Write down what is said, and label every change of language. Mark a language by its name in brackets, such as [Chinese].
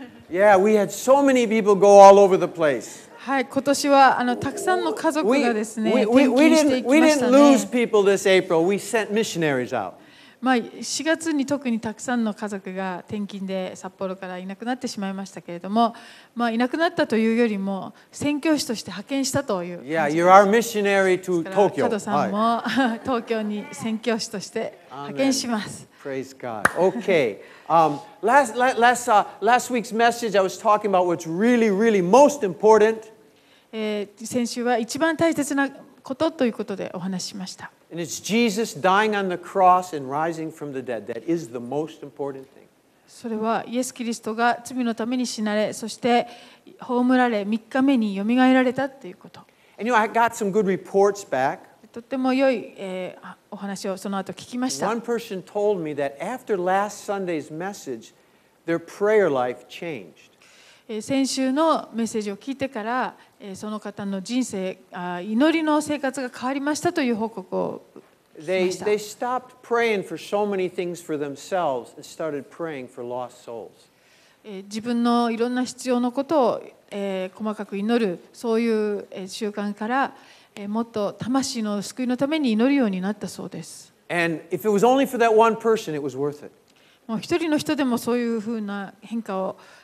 [English] Yeah, we had so many people go all over the place. [Japanese] Hi, 今年はたくさんの家族がですね、転勤していきましたね。 [English] We didn't lose people this April. We sent missionaries out. [Japanese] まあ、4月に特にたくさんの家族が転勤で札幌からいなくなってしまいましたけれども、まあ、いなくなったというよりも宣教師として派遣したという感じです。 [English] Yeah, you're our missionary to Tokyo. 加 [Japanese] 藤さんも、はい、東京に宣教師として派遣します。 [English] Amen. Praise God. Okay. last week's message I was talking about what's really, really most important. [Japanese] 先週は一番大切なことということでお話ししました。 [English] And it's Jesus dying on the cross and rising from the dead. That is the most important thing. [Japanese] それはイエス・キリストが罪のために死なれ、そして葬られ、3日目によみがえられたということ。 [English] And you know, I got some good reports back. [Japanese] とっても良い、お話をその後聞きました。 [English] One person told me that after last Sunday's message, their prayer life changed. [Japanese] 先週のメッセージを聞いてから、その方の人生、祈りの生活が変わりましたという報告を聞きました。 [English] They stopped praying for so many things for themselves and started praying for lost souls. [Japanese] 自分のいろんな必要のことを、細かく祈る、そういう習慣から、もっと魂の救いのために祈るようになったそうです。 [English] And if it was only for that one person, it was worth it. [Japanese] もう一人の人でもそういうふうな変化を、